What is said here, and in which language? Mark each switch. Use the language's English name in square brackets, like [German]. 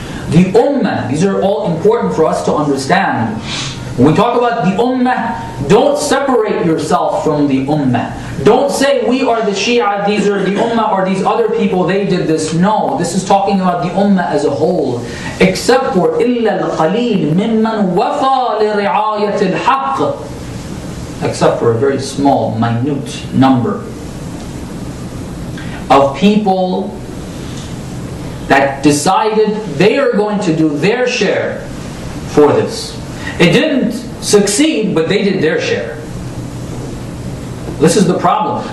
[English] The Ummah, these are all important for us to understand. When we talk about the Ummah, don't separate yourself from the Ummah. Don't say, we are the Shia, these are the Ummah, or these other people, they did this. No, this is talking about the Ummah as a whole. Except for, [Arabic] إِلَّا الْقَلِيلِ مِمَّنْ وَفَى لِرِعَايَةِ الْحَقِّ. [English] Except for a very small, minute number of people that decided they are going to do their share for this. It didn't succeed, but they did their share. This is the problem.